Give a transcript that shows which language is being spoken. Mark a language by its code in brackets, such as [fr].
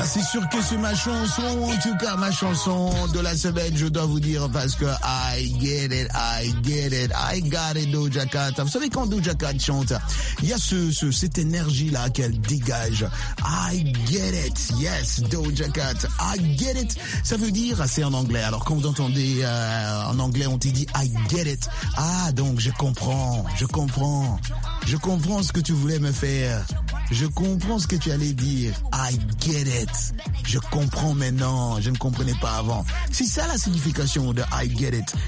[fr] sûr que c'est ma chanson, en tout cas ma chanson de la semaine, je dois vous dire, parce que [en] I get it, I get it, I got it, [fr] Doja Cat. Vous savez, quand Doja Cat chante, il y a cette énergie-là qu'elle dégage. [en] I get it, yes, Doja Cat, I get it. [fr] Ça veut dire, c'est en anglais, alors quand vous entendez en anglais, on te dit [en] I get it. [fr] Ah, donc je comprends ce que tu voulais me faire. Je comprends ce que tu allais dire. [en] I get it. [fr] Je comprends maintenant. Je ne comprenais pas avant. C'est ça la signification de [en] I get it.